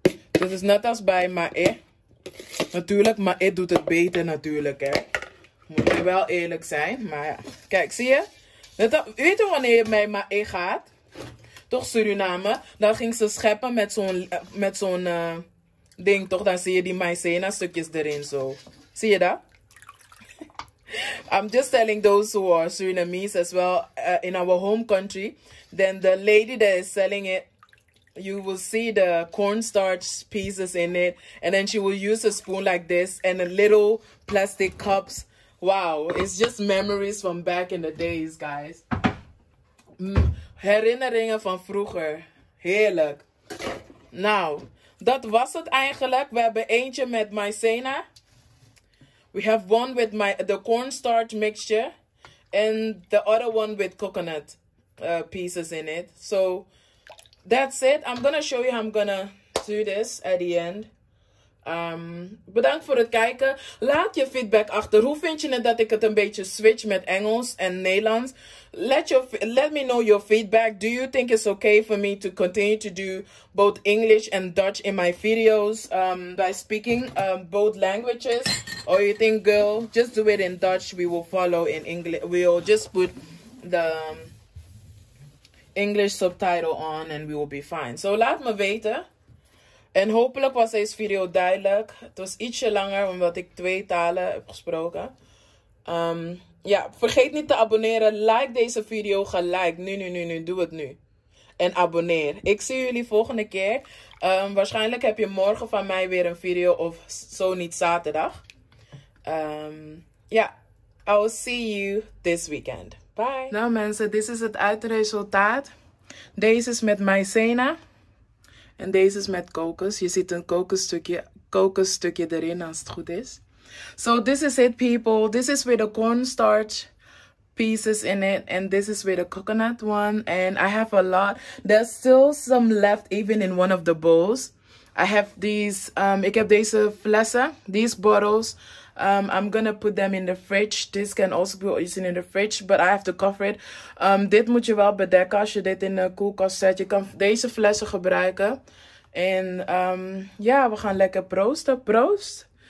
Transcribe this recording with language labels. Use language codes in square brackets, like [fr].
[nl] Dit is net als bij Mae. Natuurlijk, Mae doet het beter natuurlijk, hè. Moet je wel eerlijk zijn, maar ja. Kijk, zie je? Weet je wanneer je bij Mae gaat? Toch Suriname? Dan ging ze scheppen met zo'n ding, toch? Dan zie je die maïzena stukjes erin, zo. Zie je dat? [en] I'm just telling those who are Surinamese as well, in our home country, then the lady that is selling it, you will see the cornstarch pieces in it, and then she will use a spoon like this, and a little plastic cups. Wow, it's just memories from back in the days, guys. [nl] Herinneringen van vroeger. Heerlijk. Nou, dat was het eigenlijk. We hebben eentje met maïzena. [en] We have one with the cornstarch mixture and the other one with coconut pieces in it. So that's it. I'm gonna show you how I'm gonna do this at the end. [nl] Bedankt voor het kijken. Laat je feedback achter. Hoe vind je het dat ik het een beetje switch met Engels en Nederlands? [en] Let me know your feedback. Do you think it's okay for me to continue to do both English and Dutch in my videos by speaking both languages? Or you think, girl, just do it in Dutch. We will follow in English. We will just put the English subtitle on and we will be fine. [nl] So laat me weten. En hopelijk was deze video duidelijk. Het was ietsje langer omdat ik twee talen heb gesproken. Ja, vergeet niet te abonneren. Like deze video gelijk. Nu. Doe het nu. En abonneer. Ik zie jullie volgende keer. Waarschijnlijk heb je morgen van mij weer een video of zo niet zaterdag. [en] Yeah, I'll see you this weekend. Bye. [nl] Nou mensen, dit is het uitresultaat. Deze is met maïzena. En deze is met kokos. Je ziet een kokosstukje erin als het goed is. [en] So this is it people. This is with the cornstarch pieces in it. And this is with the coconut one. And I have a lot. There's still some left even in one of the bowls. I have these. [nl] Ik heb deze flessen. [en] These bottles. I'm gonna put them in the fridge. This can also be used in the fridge. But I have to cover it. [nl] Dit moet je wel bedekken als je dit in de koelkast zet. Je kan deze flessen gebruiken. En ja, we gaan lekker proosten. Proost.